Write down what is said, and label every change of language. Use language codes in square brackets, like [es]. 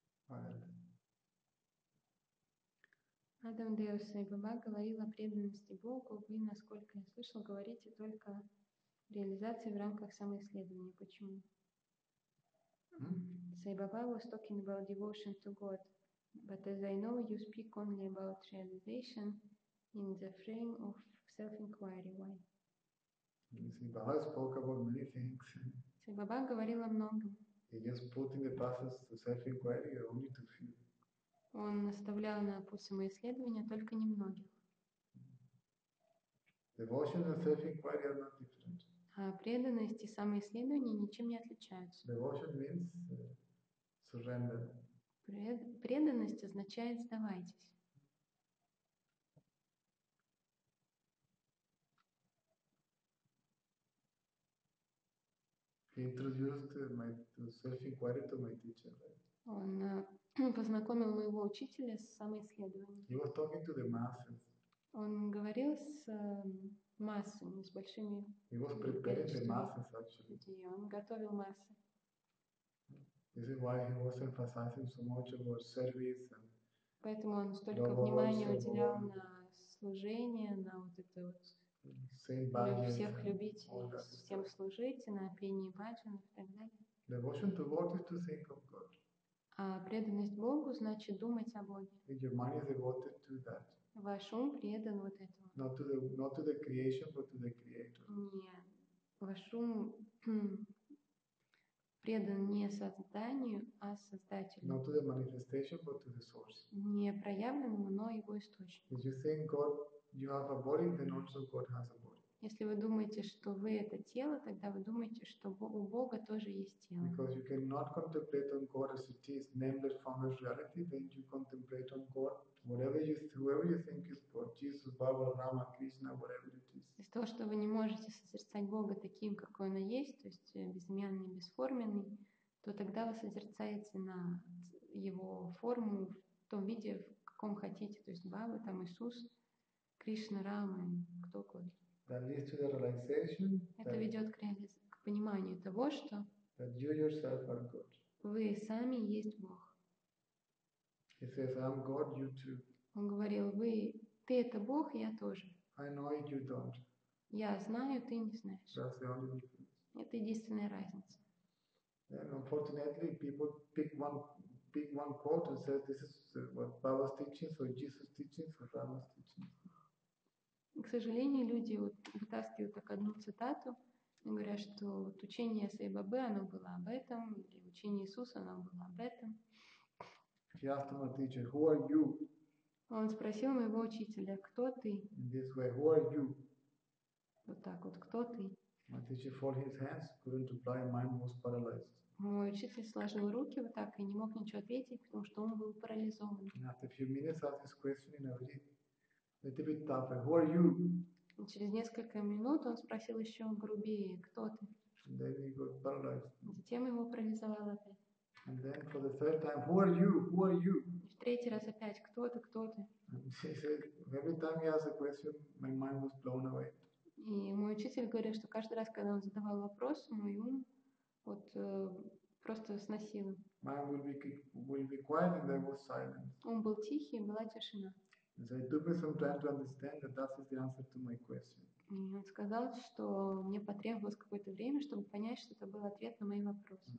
[en] Well, [ru] Адам Деус и Баба говорил о преданности Богу. Вы, насколько я слышал, говорите только о реализации в рамках самоисследования. Почему? [en] Сай Баба was talking about devotion to God. But as I know, you speak only about realization in the frame of self-inquiry. Why? Сай Баба spoke about many things. [ru] Сай Баба говорил о многом. [en] He just put in the passes to self-inquiry only to few. [ru] Он наставлял на путь самоисследования только немногих. [en] Devotion and self-inquiry are not different. [ru] А преданность и самоисследование ничем не отличаются. [en] Devotion means surrender. [ru] Преданность означает сдавайтесь. [en] He introduced my self-inquiry to my teacher. [ru] Он познакомил моего учителя с самоисследованием. [en] He was talking to the masses. [ru] Он говорил с массами, с большими. [en] He was preparing the masses, actually. [ru] Он готовил массы. [en] This is why he was emphasizing so much about service and. [ru] Поэтому он столько внимания уделял на служение, на вот это вот. Всех любить, всем служить, на пение баджан и так далее. [en] Devotion to God is to think of God. [ru] А преданность Богу значит думать о Боге. [en] And your mind is devoted to that. [ru] Ваш ум предан вот этому. [en] Not to the creation, but to the creator. [ru] Не, ваш ум предан не созданию, а создателю. [en] Not to the manifestation, but to the source. [ru] Не проявленному, но его источнику. [en] If you think God, you have a body, then also God has a body. [ru] Если вы думаете, что вы это тело, тогда вы думаете, что у Бога тоже есть тело. [en] Because you cannot contemplate on God as it is, nameless, formless reality, then you contemplate on God. Whoever you think is God, Jesus, Baba, Rama, Krishna, whatever it is. [ru] Из того, что вы не можете созерцать Бога таким, какой он есть, то есть безымянный, бесформенный, то тогда вы созерцаете на его форму в том виде, в каком хотите, то есть Баба, там Иисус, Кришна, Рама, кто угодно. [en] That leads to the realization. [ru] Это ведет к пониманию того, что. [en] That you yourself are God. [ru] Вы сами есть Бог. [en] He says, "I'm God, you too." [ru] Он говорил, вы, ты это Бог, я тоже. [en] I know it, you don't. [ru] Я знаю, ты не знаешь. [en] That's the only difference. [ru] Это единственная разница. [en] And unfortunately, people pick one quote and says, "This is what Baba's teaching, or Jesus' teaching, or Rama's teaching." [ru] К сожалению, люди вот вытаскивают так одну цитату и говорят, что вот учение Саи Бабы оно было об этом, или учение Иисуса оно было об этом. [en] He asked my teacher, "Who are you?" [ru] Он спросил моего учителя, кто ты? [en] In this way, who are you? [ru] Вот так вот, кто ты? [en] My teacher folded his hands, couldn't reply, mind was paralyzed. [ru] Мой учитель сложил руки вот так и не мог ничего ответить, потому что он был парализован. [en] And after a few minutes, asked his question in a little bit tougher, "Who are you?" [ru] И через несколько минут он спросил еще грубее, кто ты? [en] And then he got paralyzed. [ru] Затем его парализовал опять. [en] And then for the third time, who are you? Who are you? [ru] В третий раз опять, кто ты, кто ты? [en] He said, every time he asked a question, my mind was blown away. [ru] И мой учитель говорил, что каждый раз, когда он задавал вопрос, мой ум вот просто сносило. [en] Mind will be quiet, and there was silence. [ru] Ум был тихий, была тишина. [en] And so it took me some time to understand that that is the answer to my question. [ru] И он сказал, что мне потребовалось какое-то время, чтобы понять, что это был ответ на мои вопросы.